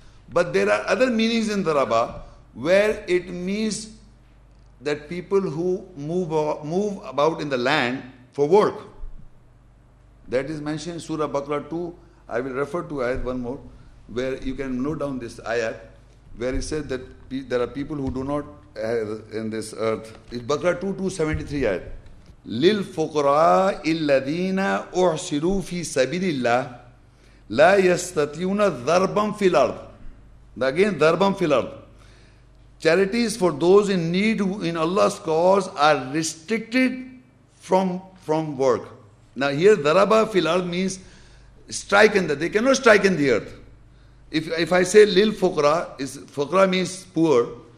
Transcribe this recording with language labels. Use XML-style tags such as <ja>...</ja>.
<en>But there are other meanings in dharaba where it means that people who move about in the land for work. That is mentioned in Surah Baqarah 2. I will refer to ayat one more where you can note down this ayat where it says that there are people who do not in this earth. It's Baqarah 2, 273 ayat.</en> <ar>للفقراء الذين أحصروا في سبيل الله لا يستطيعون ضربا في الأرض. Again, ضربا في الأرض.</ar> <en>Charity is for those in need who in Allah's cause are restricted from work. Now here,</en> <ar>ضربا في الأرض</ar> <en>means strike in the earth. They cannot strike in the earth. If I say للفقراء, فقراء means poor.</en>